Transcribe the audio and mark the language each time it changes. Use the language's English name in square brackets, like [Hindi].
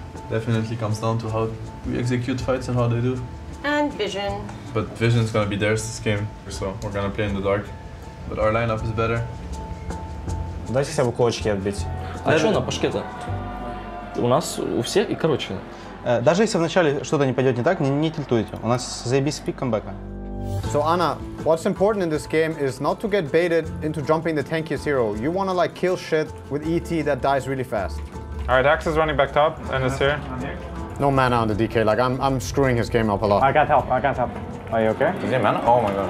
[English] Definitely comes down to how we execute fights and how they do. And vision. But vision is gonna be theirs this game, so we're gonna play in the dark. But our lineup is better. [Russian] Дайте хотя бы кулачки отбить. А что на пашке-то? У нас у всех и короче. Даже если вначале что-то не пойдет не так, не тильтуйте. У нас заебись пик камбэка. [English] So Anna, what's important in this game is not to get baited into jumping the tankiest hero. You want to like kill shit with ET that dies really fast. All right, Axe is running back top and is here. No mana on the DK. Like I'm screwing his game up a lot. I can't help. Are you okay? Is he mana? Oh my god.